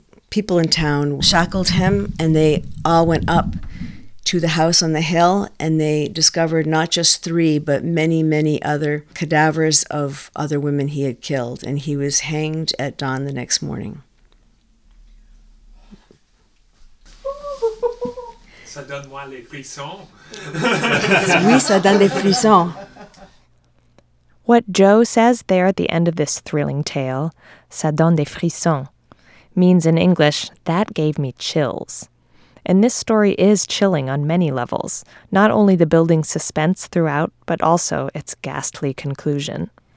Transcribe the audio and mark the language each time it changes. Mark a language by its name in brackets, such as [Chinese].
[English] People in town shackled him, and they all went up to the house on the hill, and they discovered not just three, but many, many other cadavers of other women he had killed. And he was hanged at dawn the next morning. [French] Ça donne moi les frissons. Oui, ça donne des frissons. [English] What Joe says there at the end of this thrilling tale, [French] ça donne des frissons, [English] means in English, that gave me chills. And this story is chilling on many levels, not only the building's suspense throughout, but also its ghastly conclusion.